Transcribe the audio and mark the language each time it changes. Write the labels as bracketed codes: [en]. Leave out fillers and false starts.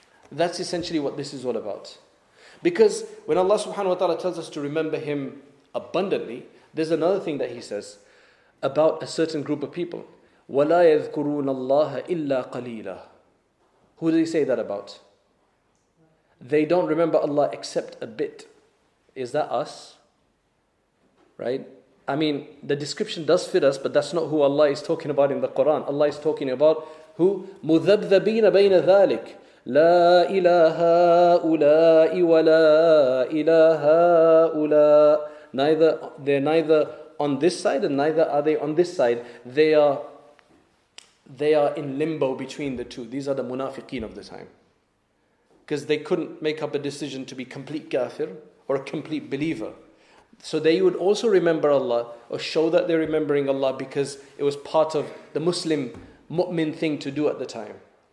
[en] That's essentially what this is all about. Because when Allah subhanahu wa ta'ala tells us to remember him abundantly, there's another thing that he says about a certain group of people. [ar] وَلَا يَذْكُرُونَ اللَّهَ إِلَّا قَلِيلًا [en] Who do they say that about? They don't remember Allah except a bit. Is that us? Right? I mean, the description does fit us, but that's not who Allah is talking about in the Quran. Allah is talking about who? [ar] مُذَبْذَبِينَ بَيْنَ ذَلِكَ لا إله هؤلاء ولا إله هؤلاء. [en] They're neither on this side and neither are they on this side. They are in limbo between the two. These are the munafiqeen of the time. Because they couldn't make up a decision to be complete kafir or a complete believer. So they would also remember Allah or show that they're remembering Allah because it was part of the Muslim mu'min thing to do at the time.